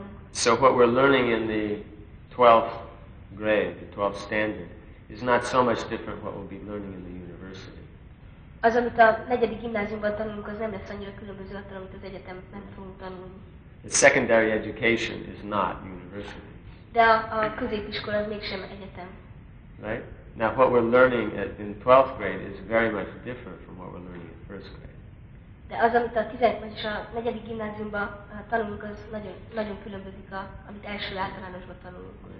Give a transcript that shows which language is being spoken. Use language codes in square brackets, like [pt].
[en] So what we're learning in the 12th grade, the 12th standard, is not so much different what we'll be learning in the university. [hu] Az, amit a negyedik gimnáziumban tanulunk, az nem lesz annyira különböző attól, amit az egyetemben fogunk tanulni. [en] The secondary education is not university. [hu] De a középiskola mégsem egyetem. [en] Right? Now what we're learning in 12th grade is very much different from what we're learning in first grade. [hu] De az, amit a 14. gimnáziumban tanulunk, az nagyon, nagyon különbözik, amit első általánosban tanulunk.